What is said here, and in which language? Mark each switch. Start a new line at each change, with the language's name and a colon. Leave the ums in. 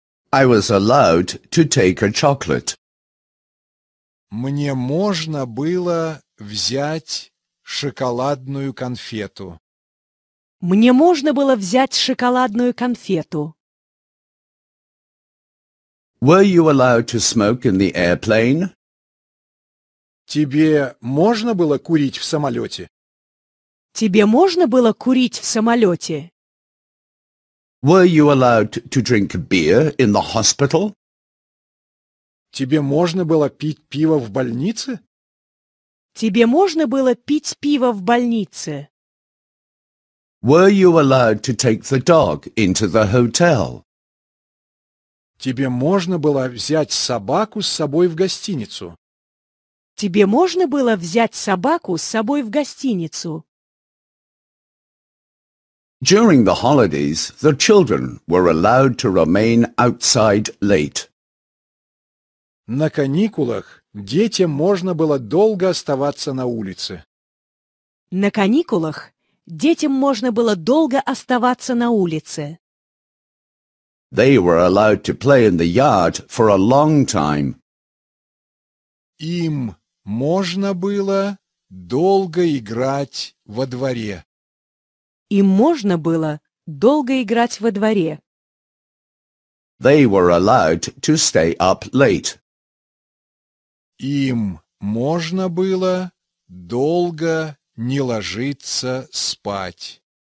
English: I was allowed to take a chocolate.
Russian: Мне можно было взять шоколадную конфету. Мне можно было взять шоколадную конфету.
English: Were you allowed to smoke in the airplane?
Russian: Тебе можно было курить в самолете? Тебе можно было курить в самолете?
English: Were you allowed to drink beer in the hospital?
Russian: Тебе можно было пить пиво в больнице? Тебе можно было пить пиво в больнице?
English: Were you allowed to take the dog into the hotel?
Russian: Тебе можно было взять собаку с собой в гостиницу. Тебе можно было взять собаку с собой в гостиницу.
English: During the holidays, the children were allowed to remain outside late.
Russian: На каникулах детям можно было долго оставаться на улице. На каникулах детям можно было долго оставаться на улице.
English: They were allowed to play in the yard for a long time.
Russian: Им можно было долго играть во дворе. Им можно было долго играть во дворе.
English: They were allowed to stay up late.
Russian: Им можно было долго не ложиться спать